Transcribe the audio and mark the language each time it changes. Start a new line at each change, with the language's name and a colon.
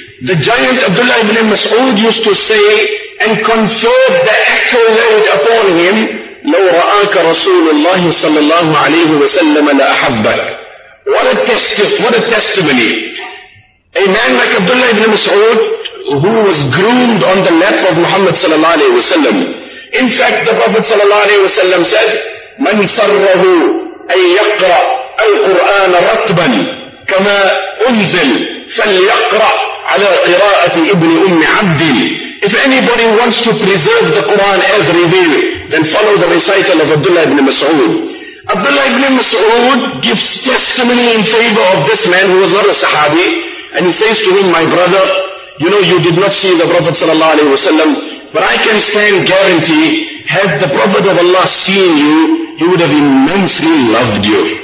English: The giant Abdullah ibn Mas'ud used to say and confer the accolade upon him,
Arabic: "لو رآك رسول الله صلى الله عليه وسلم لأحبك."
English: What a testimony. A man like Abdullah ibn Mas'ud, who was groomed on the lap of Muhammad صلى الله عليه وسلم. In fact, the Prophet صلى الله عليه وسلم said,
Arabic: "من سره أن يقرأ القرآن رتبا كما أنزل فليقرأ على قراءة ابن أم عبد.
English: If anybody wants to preserve the Quran as revealed, then follow the recital of Abdullah ibn Mas'ud. Abdullah ibn Mas'ud gives testimony in favor of this man who was not a Sahabi, and he says to him, my brother, you know you did not see the Prophet sallallahu alaihi wasallam, but I can stand guarantee, had the Prophet of Allah seen you, he would have immensely loved you.